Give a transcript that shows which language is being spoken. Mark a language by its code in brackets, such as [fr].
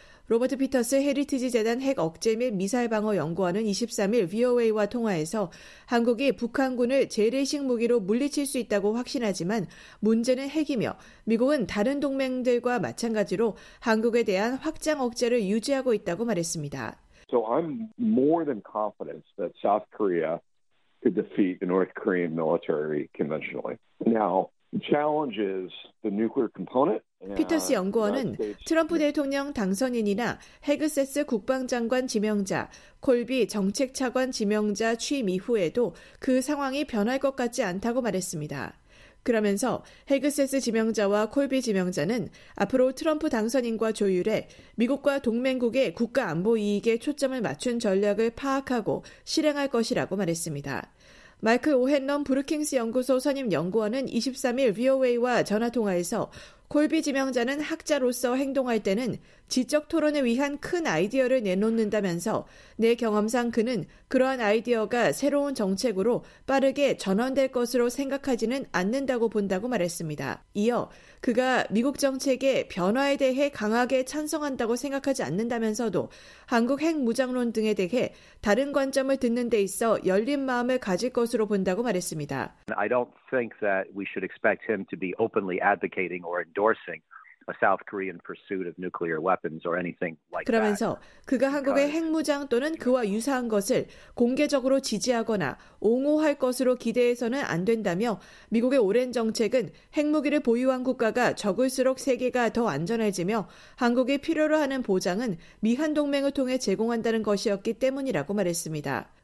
[ko] 로버트 피터스 헤리티지 재단 핵 억제 및 미사일 방어 연구원은 23일 VOA와 통화해서 한국이 북한군을 재래식 무기로 물리칠 수 있다고 확신하지만 문제는 핵이며 미국은 다른 동맹들과 마찬가지로 한국에 대한 확장 억제를 유지하고 있다고 말했습니다. [en] So I'm more than confident that South Korea could defeat the North Korean military conventionally. Now, challenges the nuclear component. [ko] 피터스 연구원은 트럼프 대통령 당선인이나 해그세스 국방장관 지명자, 콜비 정책차관 지명자 취임 이후에도 그 상황이 변할 것 같지 않다고 말했습니다. 그러면서 해그세스 지명자와 콜비 지명자는 앞으로 트럼프 당선인과 조율해 미국과 동맹국의 국가 안보 이익에 초점을 맞춘 전략을 파악하고 실행할 것이라고 말했습니다. 마이클 오헨넘 브루킹스 연구소 선임 연구원은 23일 VOA와 전화통화에서 콜비 지명자는 학자로서 행동할 때는 지적 토론을 위한 큰 아이디어를 내놓는다면서 내 경험상 그는 그러한 아이디어가 새로운 정책으로 빠르게 전환될 것으로 생각하지는 않는다고 본다고 말했습니다. 이어 그가 미국 정책의 변화에 대해 강하게 찬성한다고 생각하지 않는다면서도 한국 핵 무장론 등에 대해 다른 관점을 듣는 데 있어 열린 마음을 가질 것으로 본다고 말했습니다. [en] I don't think that we should expect him to be openly advocating or endorsing a South Korean pursuit of nuclear weapons or anything like that. [ko] 그러면서 그가 한국의 핵무장 또는 그와 유사한 것을 공개적으로 지지하거나 옹호할 것으로 기대해서는 안 된다며 미국의 오랜 정책은 핵무기를 보유한 국가가 적을수록 세계가 더 안전해지며 한국이 필요로 하는 보장은 미한 동맹을 통해 제공한다는 것이었기 때문이라고 말했습니다.